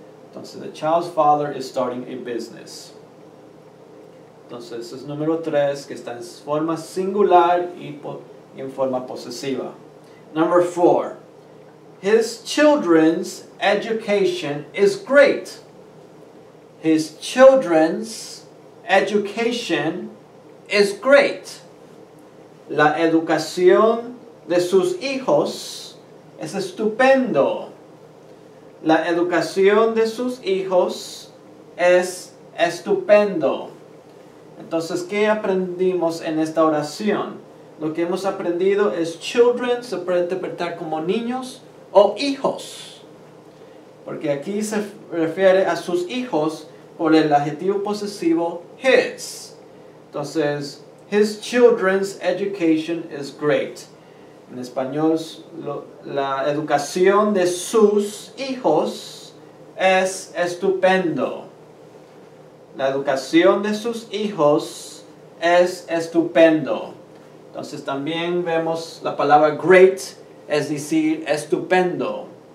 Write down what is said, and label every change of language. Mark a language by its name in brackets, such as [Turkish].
[English] Entonces, the child's father is starting a business. [Spanish] Entonces, es número 3, que está en forma singular y en forma posesiva. [English] Number 4. His children's education is great. His children's education is great. [Spanish] La educación de sus hijos es estupendo. La educación de sus hijos es estupendo. Entonces, ¿qué aprendimos en esta oración? Lo que hemos aprendido es children se puede interpretar como niños o hijos, porque aquí se refiere a sus hijos por el adjetivo posesivo his. [English] Entonces, his children's education is great. [Spanish] En español, la educación de sus hijos es estupendo. La educación de sus hijos es estupendo. Entonces, también vemos la palabra great. Es decir, estupendo.